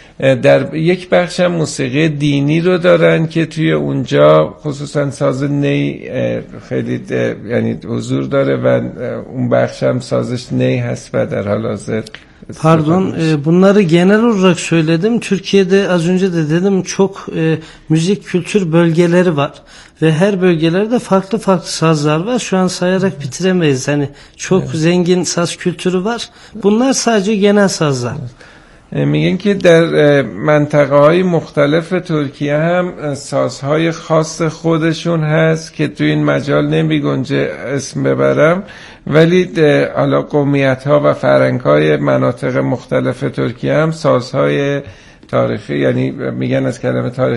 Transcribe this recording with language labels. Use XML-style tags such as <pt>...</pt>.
<fa>در یک بخش هم موسیقی دینی رو دارن که توی اونجا خصوصا ساز نی خیلی یعنی حضور داره و اون بخش هم سازش نی هست و در حال حاضر</fa> <tr>Pardon, bunları genel olarak söyledim. Türkiye'de az önce de dedim çok müzik kültür bölgeleri var ve her bölgelerde farklı farklı sazlar var. Şu an sayarak bitiremeyiz. Hani çok zengin saz kültürü var. Bunlar sadece genel sazlar.</tr> <fa>میگن که در منطقه های مختلف ترکیه هم سازهای خاص خودشون هست که تو این مجال نمی گنجه اسم ببرم، ولی حالا قومیت ها و فرهنگ های مناطق مختلف ترکیه هم سازهای تاریخی، یعنی میگن از کلمه</fa>